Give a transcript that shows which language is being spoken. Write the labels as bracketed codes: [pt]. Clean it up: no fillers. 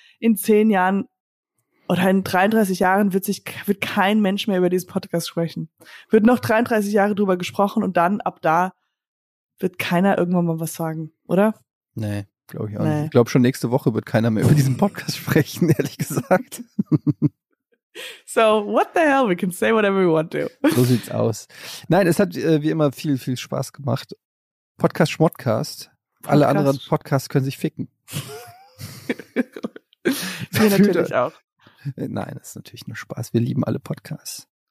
[de] In 10 Jahren oder in 33 Jahren wird kein Mensch mehr über diesen Podcast sprechen. Wird noch 33 Jahre drüber gesprochen und dann ab da wird keiner irgendwann mal was sagen, oder? Nee. Glaube ich auch nicht. Ich glaube, schon nächste Woche wird keiner mehr über diesen Podcast sprechen, ehrlich gesagt. [en] So, what the hell? We can say whatever we want to. [de] So sieht's aus. Nein, es hat wie immer viel, viel Spaß gemacht. Podcast Schmottcast. Alle anderen Podcasts können sich ficken. Wir natürlich auch. Nein, es ist natürlich nur Spaß. Wir lieben alle Podcasts.